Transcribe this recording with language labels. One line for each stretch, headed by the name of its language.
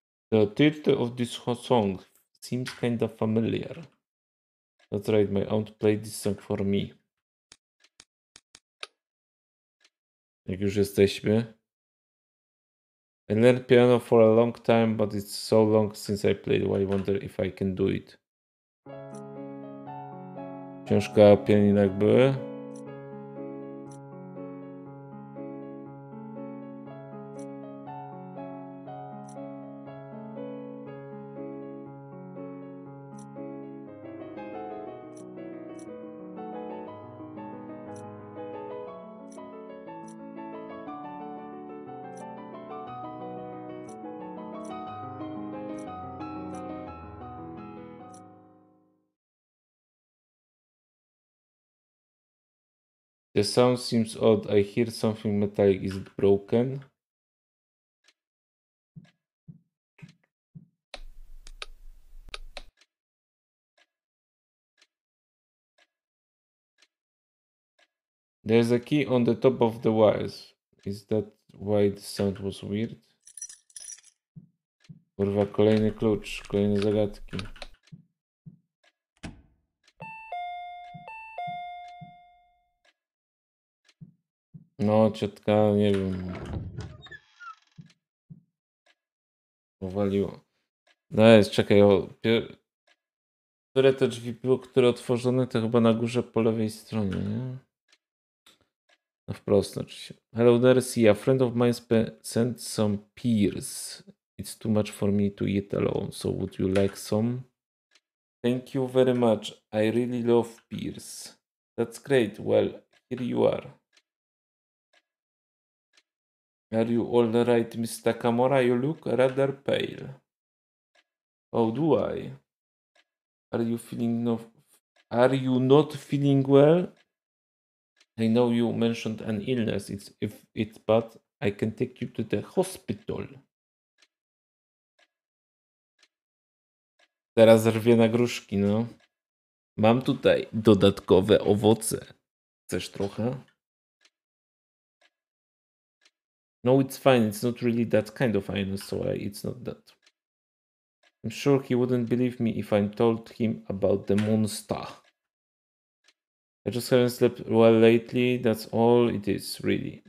English: The title of this song seems kind of familiar. That's right, my aunt played this song for me.
Polish: Jak już jesteśmy.
English: I learned piano for a long time, but it's so long since I played. I wonder if I can do it.
Polish: Książka o pianinach były.
English: The sound seems odd. I hear something metallic. Is it broken? There's a key on the top of the wires. Is that why the sound was weird?
Polish: Kurwa, kolejny klucz, kolejne zagadki. No, ciotka, nie wiem. Powaliło. No jest, czekaj. Które te drzwi były, które otworzone, to chyba na górze po lewej stronie, nie? No wprost, znaczy się.
English: Hello there, see, a friend of mine sent some peers. It's too much for me to eat alone, so would you like some? Thank you very much. I really love peers. That's great. Well, here you are. Are you all right, Mr. Takamura? You look rather pale. Oh, do I? Are you not feeling well? I know you mentioned an illness. If it's bad, I can take you to the hospital.
Polish: Teraz rwie na gruszki, no. Mam tutaj dodatkowe owoce. Chcesz trochę?
English: No, it's fine. It's not really that kind of illness, so it's not that. I'm sure he wouldn't believe me if I told him about the monster. I just haven't slept well lately. That's all it is, really.